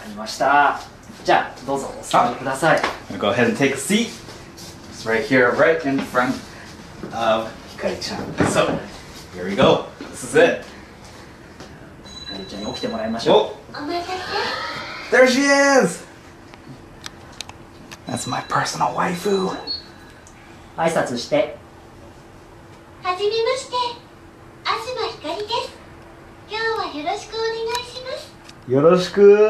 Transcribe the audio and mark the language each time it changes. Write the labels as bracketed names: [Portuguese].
[Japanese] では、早速ひかりちゃんと遊ばせてください。わかりました。じゃあ、どうぞお座りください。 [English] Go ahead and take a seat. It's right here, right in front of ひかりちゃん. So, here we go. This is it. [Japanese] ひかりちゃんに起きてもらいましょう。 [English] There she is! That's my personal waifu. [Japanese] 挨拶して。はじめまして。東ひかりです。今日はよろしくお願いします。よろしく!